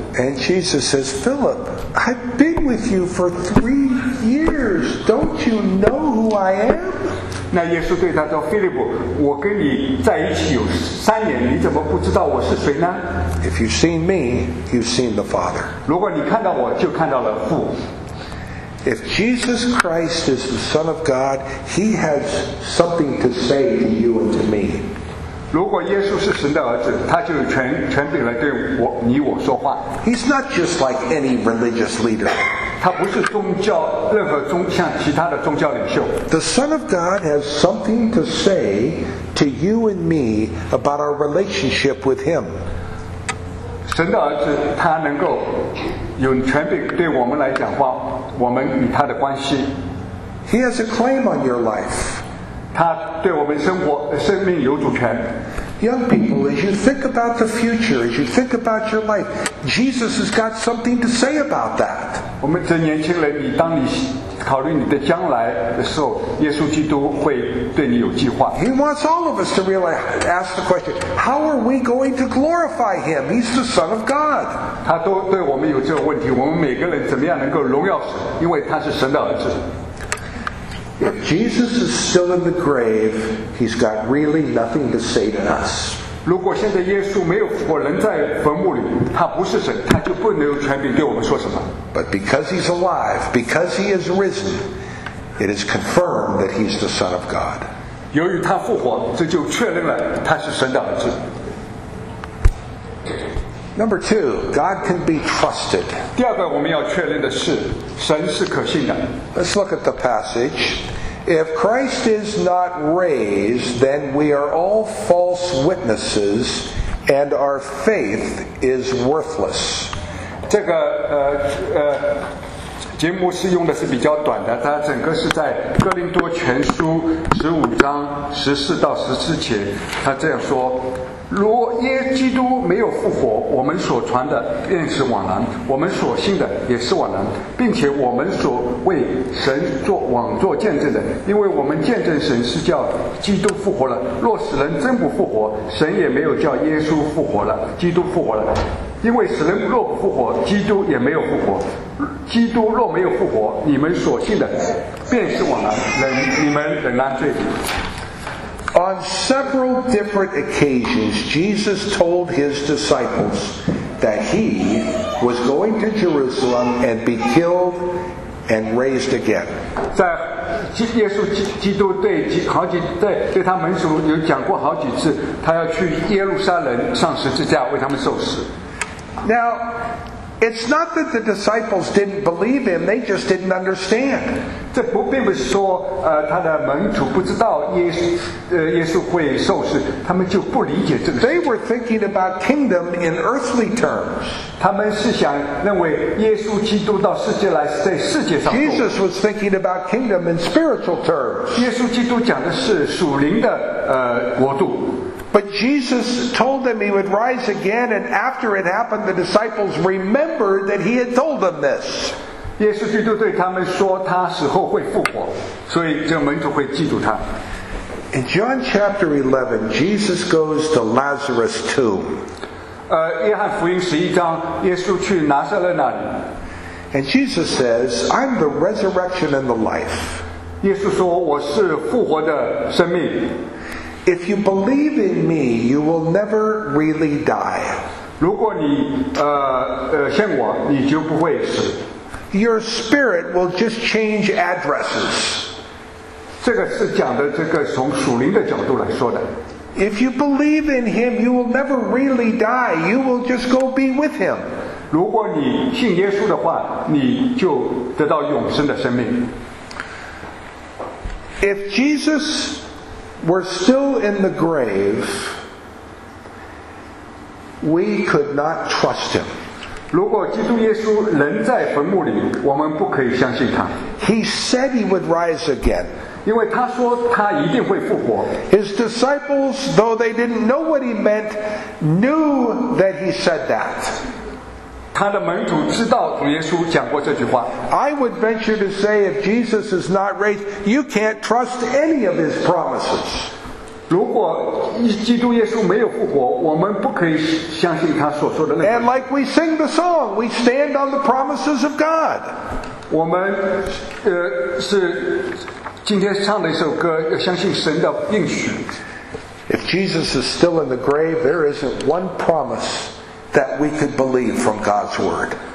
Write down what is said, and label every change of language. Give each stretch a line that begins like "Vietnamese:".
English: And Jesus says, Philip, I've been with you for 3 years. Don't you know who I am?
Chinese: 那耶稣对他说 Philip, 我跟你在一起有三年，你怎么不知道我是谁呢？
English: If you've seen me, you've seen the Father.
Chinese: 如果你看到我，就看到了父。
English: If Jesus Christ is the Son of God, he has something to say to you and to me.
Chinese: 如果耶稣是神的儿子，他就全柄来对我你我说话。
English: He's not just like any religious leader.
Chinese: 他不是宗教任何宗像其他的宗教领袖。
English: The Son of God has something to say to you and me about our relationship with Him.
Chinese: 神的儿子他能够有权柄对我们来讲话，我们与他的关系。
English: He has a claim on your life.
Chinese: 他对我们生活生命有主权。
English: Young people, as you think about the future, as you think about your life, Jesus has got something to say about that.
Chinese: 我们这年轻人，你当你考虑你的将来的时候，耶稣基督会对你有计划。
English: He wants all of us to really ask the question, how are we going to glorify him? He's the Son of God.
Chinese: 他都对我们有这个问题，我们每个人怎么样能够荣耀神，因为他是神的儿子。
English: If Jesus is still in the grave, he's got really nothing to say to us.
Chinese: 如果现在耶稣没有复活，人在坟墓里，他不是神，他就不能有权柄对我们说什么。
English: But because he's alive, because he is risen, it is confirmed that he's the Son of God.
Chinese: 由于他复活，这就确认了他是神的儿子。
English: Number two, God can be trusted.
Chinese: 第二个我们要确认的是，神是可信的。
English: Let's look at the passage. If Christ is not raised, then we are all false witnesses, and our faith is worthless.
Chinese: 这个节目是用的是比较短的，它整个是在哥林多前书十五章十四到十七节，他这样说。如耶基督没有复活，我们所传的便是枉然，我们所信的也是枉然，并且我们所为神枉做见证的，因为我们见证神是叫基督复活了。若死人真不复活，神也没有叫耶稣复活了，基督复活了。因为死人若不复活，基督也没有复活。基督若没有复活，你们所信的便是枉然，你们仍然罪。
English: On several different occasions, Jesus told his disciples that he was going to Jerusalem and be killed and raised again.
Chinese: 在耶稣基督对他门徒有讲过好几次，他要去耶路撒冷上十字架为他们受死。
English: Now, it's not that the disciples didn't believe him; they just didn't understand.
Chinese: 这不并不是说他的门徒不知道耶稣会受死，他们就不理解这个。
English: They were thinking about kingdom in earthly terms.
Chinese: 他们是想认为耶稣基督到世界来是在世界上。
English: Jesus was thinking about kingdom in spiritual terms.
Chinese: 耶稣基督讲的是属灵的国度。
English: But Jesus told them he would rise again, and after it happened, the disciples remembered that he had told them this.
Chinese: 耶稣基督对他们说他死后会复活，所以这门徒会记住他。
English: In John chapter 11, Jesus goes to Lazarus tomb.
Chinese: 约翰福音十一章，耶稣去拿撒勒那里。
English: And Jesus says, I'm the resurrection and the life.
Chinese: 耶稣说我是复活的生命。
English: If you believe in me, you will never really die.
Chinese: 如果你信我，你就不会死。
English: Your spirit will just change addresses.
Chinese: 这个是讲的这个从属灵的角度来说的。
English: If you believe in him, you will never really die. You will just go be with him.
Chinese: 如果你信耶稣的话，你就得到永生的生命。
English: If Jesus were still in the grave, we could not trust him.
Chinese: 如果基督耶稣仍在坟墓里，我们不可以相信他。
English: He said he would rise again.
Chinese: 因为他说他一定会复活。
English: His disciples, though they didn't know what he meant, knew that he said that.
Chinese: 他的门徒知道主耶稣讲过这句话。
English: I would venture to say if Jesus is not raised, you can't trust any of his promises.
Chinese: 如果基督耶稣没有复活，我们不可以相信他所说的那个。
English: And like we sing the song, we stand on the promises of God.
Chinese: 我们是今天唱的一首歌，要相信神的应许。
English: If Jesus is still in the grave, there isn't one promise that we could believe from God's word.